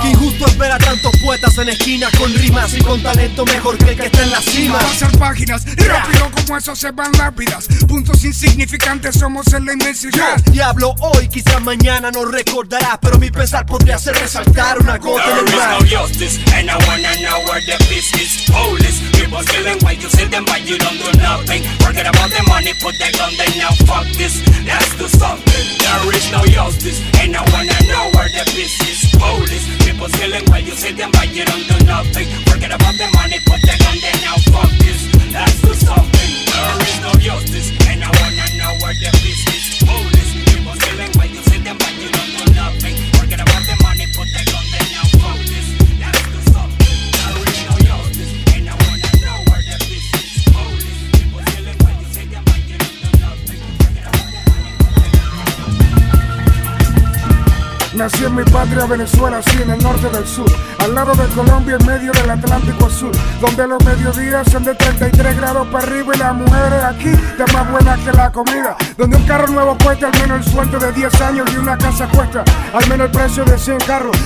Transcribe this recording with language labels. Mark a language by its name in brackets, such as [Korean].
[Spanish] Qué injusto es ver a tantos poetas en esquina, con rimas y con talento mejor que el que está en la cima. Pasar páginas, rápido como eso se van lápidas. Puntos insignificantes somos en la inmensidad. Diablo, hoy quizás mañana no recordarás, pero mi pensar podría hacer resaltar una gota en el mar. [English] There is no justice, and I wanna know where the peace is. Police, people killing while you sit them, but you don't do nothing. Forget about the money, put the gun down, now fuck this, let's do something. There is no justice, and I wanna know where the peace is. Police, people killing while you sit them, but you don't do nothing. Forget about the money, put the gun down, now fuck this, let's do something. There is no justice, and I wanna know where the peace is. Police, people killing while you sit them, but you don't do nothing. Forget about the money, put the gun down, now fuck this, let's do something. There is no justice, and I wanna know where the peace is. Police, people killing while you sit them, but you don't do nothing. Forget about the money, put the gun down, now fuck this. [Spanish] Nací en mi patria, Venezuela, sí, en el norte del sur. Al lado de Colombia, en medio del Atlántico Azul, donde los mediodías son de 33 grados para arriba y las mujeres aquí están más buenas que la comida. Donde un carro nuevo cuesta al menos el sueldo de 10 años y una casa cuesta al menos el precio de 100 carros.